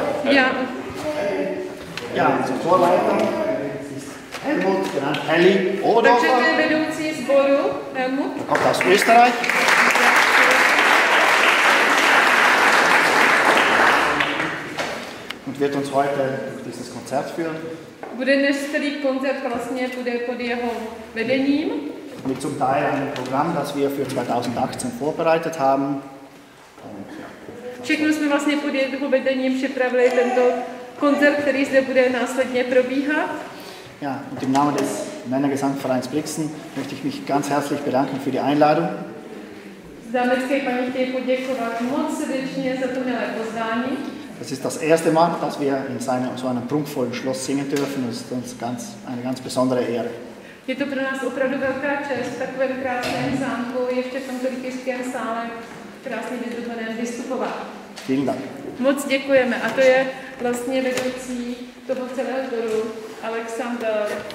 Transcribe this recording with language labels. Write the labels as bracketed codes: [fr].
[de] ja, also Chorleiter, Helmut, genannt Helly oder Helmut. Er kommt aus Österreich. Und wird uns heute durch dieses Konzert führen. [cs] Bude dnešní koncert vlastně bude pod jeho vedením. [de] Mit zum Teil einem Programm, das wir für 2018 vorbereitet haben. [cs] Všechno jsme vlastně pod jeho vedením připravili tento koncert, který zde bude následně probíhat. [de] Ja, und im Namen des Männergesangvereins Brixen möchte ich mich ganz herzlich bedanken für die Einladung. [cs] Zámecké paní chtějí poděkovat moc srdečně za to milé pozvání. [de] Das ist das erste Mal, dass wir in so einem prunkvollen Schloss singen dürfen. Das ist uns eine ganz besondere Ehre. [cs] Je to pro nás opravdu velká čest, v takovém krásném zámku, ještě v tomto rytířském sále, krásně vyzdobeném vystupovat. [de] Vielen Dank. [cs] Moc děkujeme. A to je vlastně vedoucí toho celého sboru, Alexander...